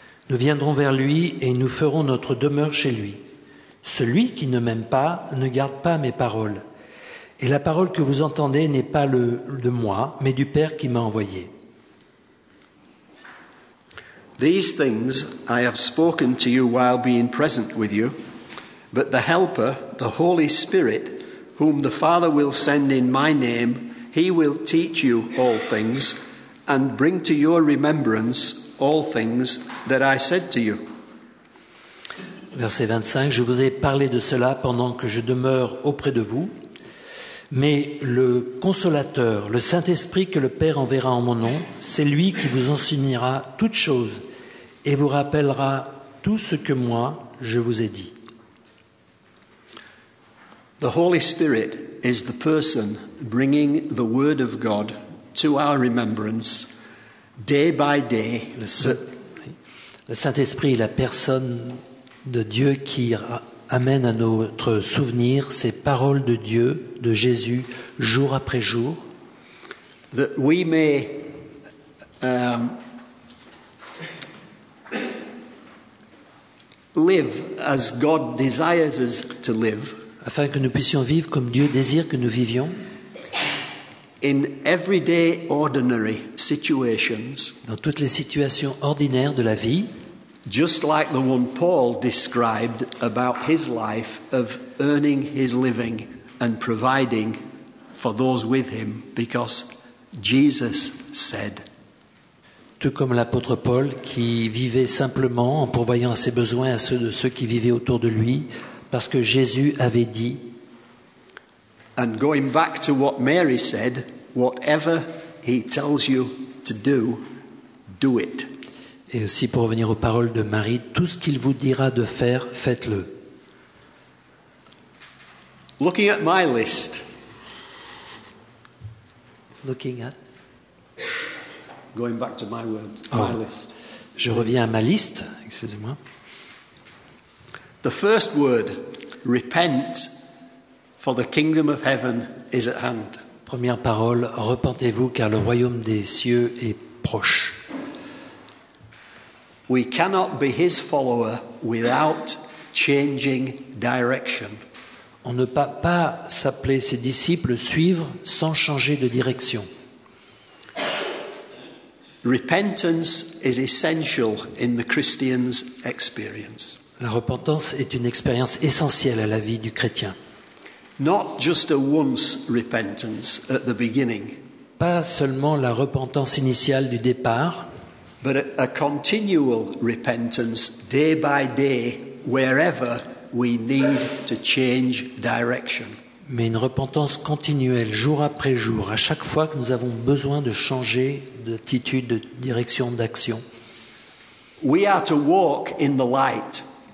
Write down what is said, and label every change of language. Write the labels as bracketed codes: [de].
[fr] Nous viendrons vers lui et nous ferons notre demeure chez lui. Celui qui ne m'aime pas ne garde pas mes paroles. Et la parole que vous entendez n'est pas de moi, mais du Père qui m'a envoyé. [en] These things I have spoken to you while being present with you, but the Helper, the Holy Spirit, whom the Father will send in my name, he will teach you all things, and bring to your remembrance all things that I said to you. [fr] Verset 25, je vous ai parlé de cela pendant que je demeure auprès de vous, mais le Consolateur, le Saint-Esprit que le Père enverra en mon nom, c'est lui qui vous enseignera toutes choses et vous rappellera tout ce que moi je vous ai dit. [en] The Holy Spirit is the person bringing the Word of God to our remembrance day by day. [fr] Le Le Saint-Esprit est la personne de Dieu qui amène à notre souvenir ces paroles de Dieu, de Jésus, jour après jour. [en] That we may live as God desires us to live. [fr] Afin que nous puissions vivre comme Dieu désire que nous vivions. [en] In everyday ordinary situations. [fr] Dans toutes les situations ordinaires de la vie. [en] Just like the one Paul described about his life of earning his living and providing for those with him, because Jesus said. [fr] Tout comme l'apôtre Paul qui vivait simplement en pourvoyant à ses besoins, à ceux de ceux qui vivaient autour de lui, parce que Jésus avait dit. [en] And going back to what Mary said, whatever he tells you to do, do it. [fr] Et aussi pour revenir aux paroles de Marie, tout ce qu'il vous dira de faire, faites-le. [en] Looking at my list. Looking at. Going back to my words. Oh. My list. [fr] Je reviens à ma liste, excusez-moi. [en] The first word, repent, for the kingdom of heaven is at hand. [fr] Première parole, repentez-vous car le royaume des cieux est proche. [en] We cannot be his follower without changing direction. [fr] On ne peut pas s'appeler ses disciples, suivre sans changer de direction. [en] Repentance is essential in the Christian's experience. [fr] La repentance est une expérience essentielle à la vie du chrétien. [en] Not just a once repentance at the beginning. [fr] Pas seulement la repentance initiale du départ. [en] But a continual repentance day by day wherever we need to change direction. [fr] Mais une repentance continuelle jour après jour à chaque fois que nous avons besoin de changer d'attitude, de direction, d'action. [en] We are to walk in the light.